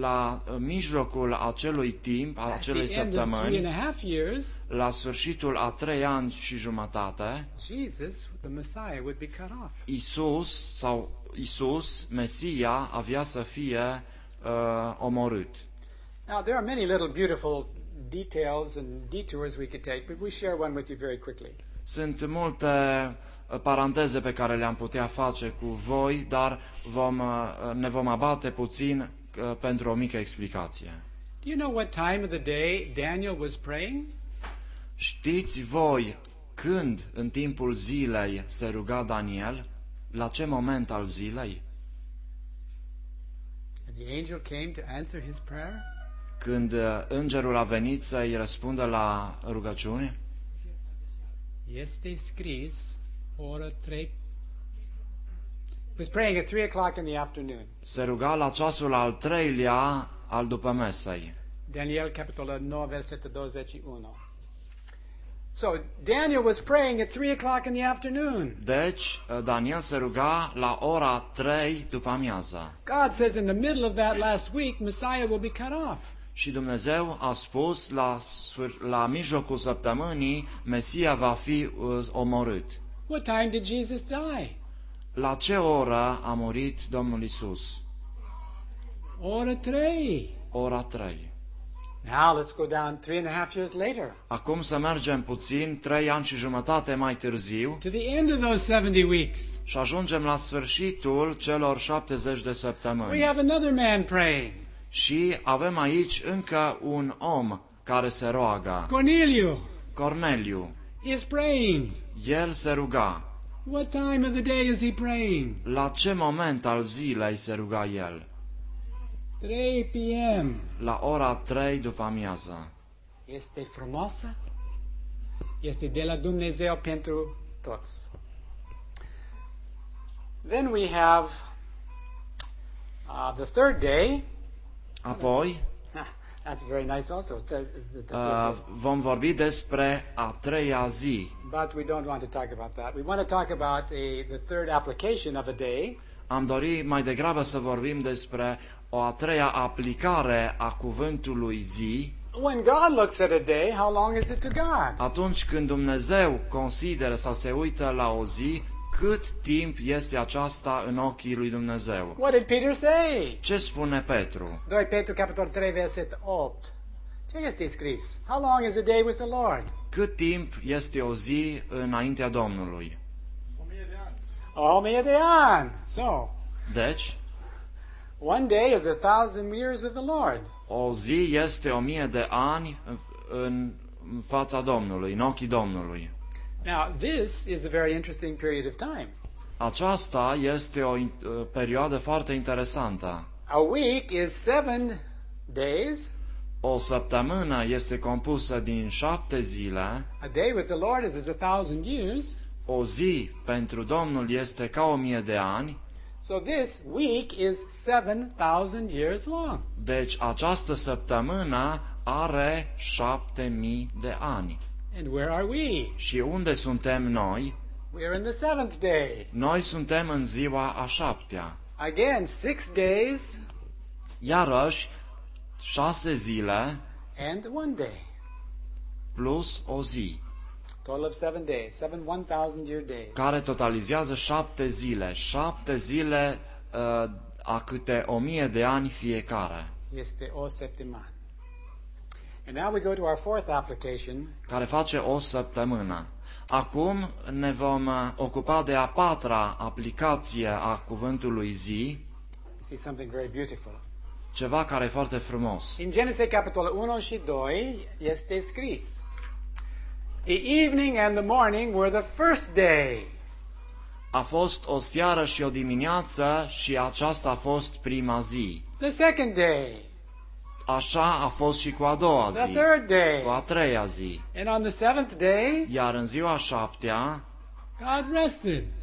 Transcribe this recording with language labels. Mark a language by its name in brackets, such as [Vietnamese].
[Romanian] la mijlocul acelui timp, al acelei săptămâni, [English] years, [Romanian] la sfârșitul a 3 ani și jumătate, [English] Jesus, the Messiah, would be cut off. [Romanian] Iisus, Mesia, avea să fie omorât. [English] Now, there are many little beautiful details and detours we could take, but we share one with you very quickly. [Romanian] Sunt multe paranteze pe care le-am putea face cu voi, dar ne vom abate puțin pentru o mică explicație. [English] Do you know what time of the day Daniel was praying? [Romanian] Știți voi când în timpul zilei se ruga Daniel? La ce moment al zilei? [English] And the angel came to answer his prayer? [Romanian] când îngerul a venit să-i răspundă la rugăciune? Este scris ora 3. [English] Was praying at 3 o'clock in the afternoon. [Romanian] Se ruga la ceasul al treilea al după-mesei. Daniel capitolul 9 versetul 21. [English] So Daniel was praying at 3 o'clock in the afternoon. [Romanian] Deci Daniel se ruga la ora 3 după-amiază. [English] God says in the middle of that last week, Messiah will be cut off. [Romanian] Și Dumnezeu a spus la mijlocul săptămânii, Mesia va fi omorât. [English] What time did Jesus die? [Romanian] La ce oră a murit Domnul Iisus? Ora 3. Ora 3. [English] Now let's go down 3.5 years later. [Romanian] Acum să mergem puțin 3 ani și jumătate mai târziu. [English] To the end of those 70 weeks. [Romanian] Și ajungem la sfârșitul celor 70 de săptămâni. [English] We have another man praying. [Romanian] Și avem aici încă un om care se roagă. Corneliu. Corneliu. [English] Is praying. [Romanian] El se ruga. [English] What time of the day is he praying? [Romanian] La ce moment al zilei se ruga el? [English] 3 p.m. [Romanian] La ora 3 după-amiază. Este frumoasă? Este de la Dumnezeu pentru toți. [English] Then we have the third day. [Romanian] Apoi, [English] that's very nice also. [Romanian] Vom vorbi despre a treia zi. [English] But we don't want to talk about that. We want to talk about the third application of a day. [Romanian] Am dori mai degrabă să vorbim despre o a treia aplicare a cuvântului zi. [English] When God looks at a day, how long is it to God? [Romanian] Atunci când Dumnezeu consideră sau se uită la o zi, cât timp este aceasta în ochii lui Dumnezeu? [English] What did Peter say? [Romanian] Ce spune Petru? 2 Petru capitolul 3 versetul 8. Ce este scris? [English] How long is a day with the Lord? [Romanian] Cât timp este o zi înaintea Domnului? 1,000 de ani. So. Deci, [English] one day is 1,000 years with the Lord. [Romanian] O zi este 1,000 de ani în fața Domnului, în ochii Domnului. [English] Now, this is a very interesting period of time. [Romanian] Aceasta este o perioadă foarte interesantă. [English] A week is 7 days. [Romanian] O săptămână este compusă din 7 zile. [English] A day with the Lord is 1,000 years. [Romanian] O zi pentru Domnul este ca 1,000 de ani. [English] So this week is 7,000 years long. [Romanian] Deci această săptămână are 7,000 de ani. [English] And where are we? [Romanian] Și unde suntem noi? [English] We are in the seventh day. [Romanian] Noi suntem în ziua a șaptea. [English] Again, 6 days. [Romanian] Iarăși 6 zile. [English] And one day. [Romanian] Plus o zi. [English] Total of 7 days, 7 1,000-year days. [Romanian] Care totalizează 7 zile. 7 zile a câte 1,000 de ani fiecare. Este o săptămână. [English] And now we go to our fourth application. [Romanian] Care face o săptămână. Acum ne vom ocupa de a patra aplicație a cuvântului zi. [English] This is something very beautiful. [Romanian] Ceva care e foarte frumos. In Genesis capitolul 1 și 2 este scris. [English] The evening and the morning were the first day. [Romanian] A fost o seară și o dimineață și aceasta a fost prima zi. [English] The second day. [Romanian] Așa a fost și cu a doua zi. [English] The third day. [Romanian] Cu a treia zi. [English] And on the seventh day. [Romanian] Iar în ziua a șaptea. [English] God rested.